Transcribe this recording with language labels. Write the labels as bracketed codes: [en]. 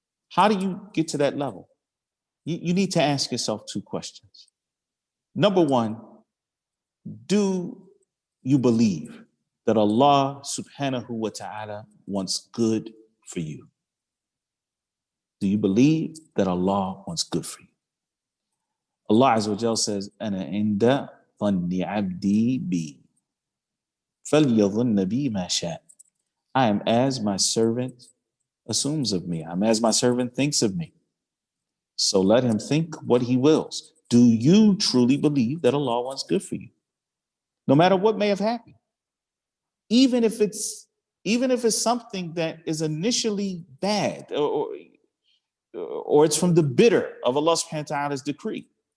[en] How do you get to that level? You need to ask yourself two questions. Number one, do you believe that Allah subhanahu wa ta'ala wants good for you? Do you believe that Allah wants good for you? Allah azza wa jal says, [ar] أَنَا عِنْدَ ظَنِّ عَبْدِي بِي فَلْيَظُنَّ نَبِي مَا شَاءَ. [en] I am as my servant assumes of me. I'm as my servant thinks of me. So let him think what he wills. Do you truly believe that Allah wants good for you? No matter what may have happened. Even if it's something that is initially bad or it's from the bitter of Allah subhanahu wa ta'ala's decree.